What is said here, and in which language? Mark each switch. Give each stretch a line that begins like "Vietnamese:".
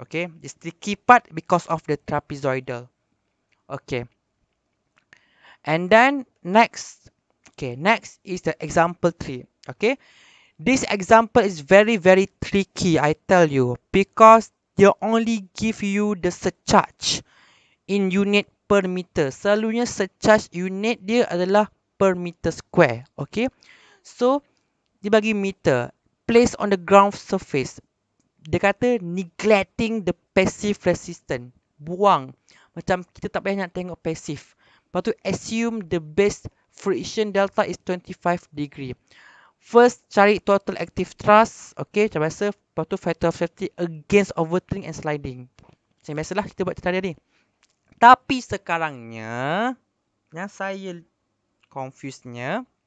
English: Okay, this tricky part because of the trapezoidal. Okay. And then next. Okay, next is the example 3. Okay. This example is very, very tricky, I tell you. Because they only give you the surcharge in unit per meter.
Malay: Selalunya surcharge unit dia adalah per meter square.
English: Okay. So,
Malay: dia bagi meter.
English: Place on the ground surface.
Malay: Dia kata
English: neglecting the passive resistance.
Malay: Buang. Macam kita tak payah nak tengok passive. Lepas tu,
English: assume the base friction delta is 25 degree. First,
Malay: cari
English: total active thrust. Okay,
Malay: macam biasa. Lepas tu,
English: factor of safety against overturning and sliding.
Malay: Macam biasalah kita buat cerita tadi. Tapi sekarangnya, yang saya confusednya.